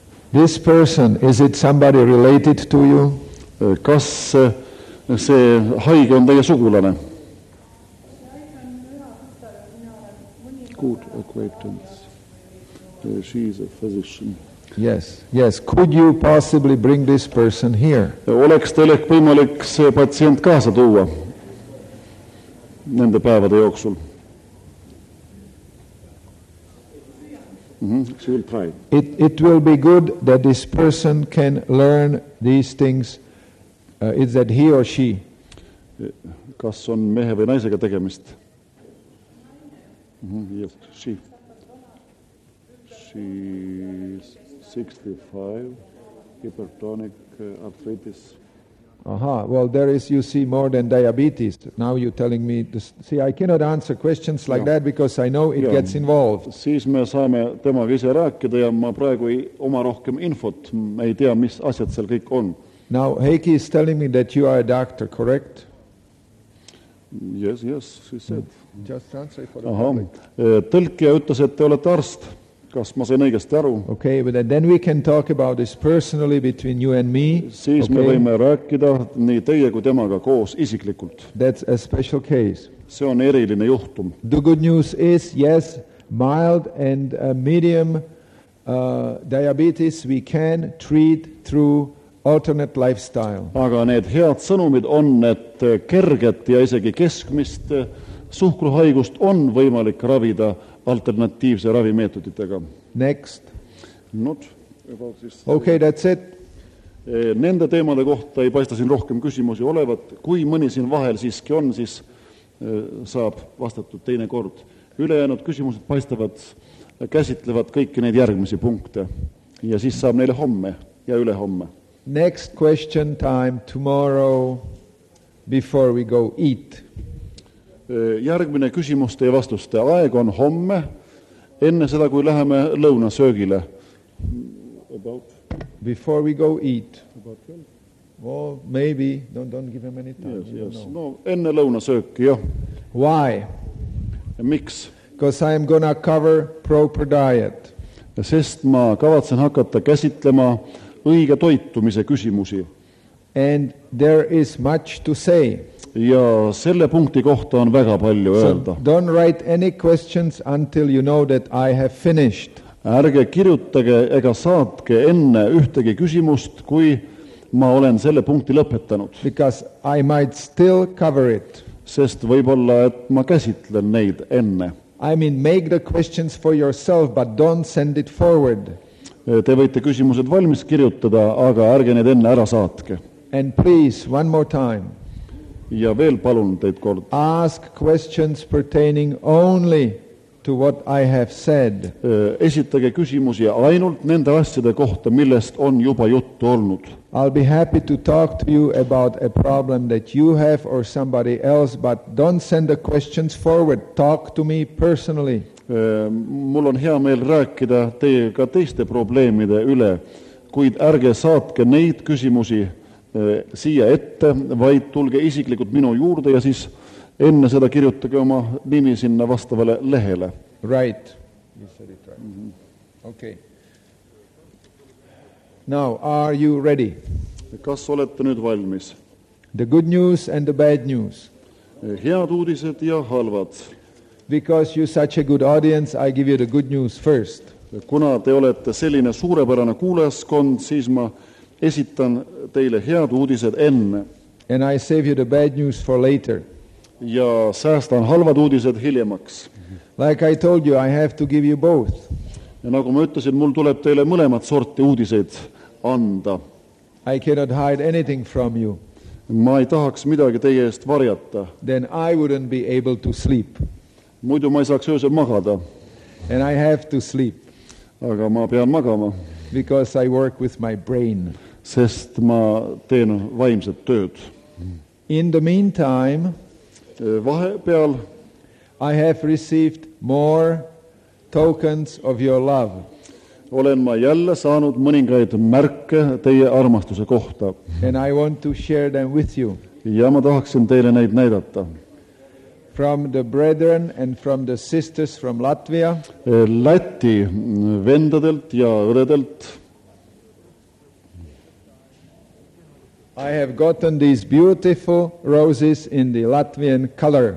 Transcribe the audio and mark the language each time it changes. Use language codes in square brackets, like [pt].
[en] This person, is it somebody related to you? [et] Kas see haige on teie sugulane? [en] Good acquaintance. She is a physician. Yes, yes. Could you possibly bring this person here? [et] Oleks teile võimalik see patsient kaasa tuua nende päevade jooksul? [en] She will try. It will be good that this person can learn these things. Is that he or she? [et] Kas on mehe või naisega tegemist? [en] Yes, she. She is 65, hypertonic arthritis. Aha, well, there is, you see, more than diabetes. Now you're telling me, see, I cannot answer questions like that because I know it gets involved. [et] Siis me saame temaga ise rääkida ja ma praegu ei oma rohkem infot. Ma ei tea, mis asjad seal kõik on. [en] Now, Heiki is telling me that you are a doctor, correct? Yes, yes, she said. Just answer for the public. [et] Tõlkija ütles, et te olete arst. Kas ma sain õigesti aru? [en] Okay, but then we can talk about this personally between you and me. [et] Siis me võime rääkida nii teie kui temaga koos isiklikult. [en] That's a special case. [et] See on eriline juhtum. [en] The good news is, yes, mild and medium diabetes we can treat through alternate lifestyle. [et] Aga need head sõnumid on, et kerget ja isegi keskmist suhkruhaigust on võimalik ravida alternatiivse ravimeetoditega. [en] Next. Not about this. Okay, that's it. [et] Nende teemade kohta ei paista siin rohkem küsimusi olevat. Kui mõni siin vahel siiski on, siis saab vastatud teine kord. Ülejäänud küsimused paistavad, käsitlevad kõiki neid järgmisi punkte. Ja siis saab neile homme ja üle homme. [en] Next question time tomorrow before we go eat. [et] Järgmine küsimuste ja vastuste aeg on homme, enne seda kui läheme lõuna söögile. [en] Before we go eat. Well, maybe don't give him any time. Yes. No, [et] enne lõuna sööki, jo. [en] Why? [et] Ja miks? [en] Because I am going to cover proper diet. [et] Sest ma kavatsen hakata käsitlema õige toitumise küsimusi. [en] And there is much to say. [et] Ja selle punkti kohta on väga palju öelda. [en] So don't write any questions until you know that I have finished. [et] Ärge kirjutage ega saatke enne ühtegi küsimust, kui ma olen selle punkti lõpetanud. [en] Because I might still cover it. [et] Sest võibolla, et ma käsitlen neid enne. [en] I mean, make the questions for yourself, but don't send it forward. [et] Te võite küsimused valmis kirjutada, aga ärge need enne ära saatke. [en] And please, one more time. [et] Ja veel palun teid kord. [en] Ask questions pertaining only to what I have said. [et] Esitage küsimusi ainult nende asjade kohta, millest on juba juttu olnud. [en] I'll be happy to talk to you about a problem that you have or somebody else, but don't send the questions forward. Talk to me personally. [et] Mul on hea meel rääkida teiega teiste probleemide üle, kuid ärge saatke neid küsimusi siia ette, vaid tulge isiklikult minu juurde ja siis enne seda kirjutage oma nimi sinna vastavale lehele. [en] Right. You said it right. Mm-hmm. Okay. Now, are you ready? [et] Kas olete nüüd valmis? [en] The good news and the bad news. [et] Head uudised ja halvad. [en] Because you're such a good audience, I give you the good news first. [et] Kuna te olete selline suurepärane kuulajaskond, siis ma esitan teile head uudised enne. [en] And I save you the bad news for later. [et] Ja säästan halvad uudised hiljemaks. [en] Like I told you, I have to give you both. [et] Ja nagu ma ütlesin, mul tuleb teile mõlemad sorti uudiseid anda. [en] I cannot hide anything from you. [et] Ma ei tahaks midagi teie eest varjata. [en] Then I wouldn't be able to sleep. [et] Muidu ma ei saaks öösel magada. [en] And I have to sleep. [et] Aga ma pean magama. [en] Because I work with my brain. [et] Sest ma teen vaimset tööd. [en] In the meantime, [et] vahepeal, [en] I have received more tokens of your love. [et] Olen ma jälle saanud mõningaid märke teie armastuse kohta. [en] And I want to share them with you. [et] Ja ma tahaksin teile neid näidata. [en] From the brethren and from the sisters from Latvia. [et] Läti vendadelt ja õdedelt. [en] I have gotten these beautiful roses in the Latvian color.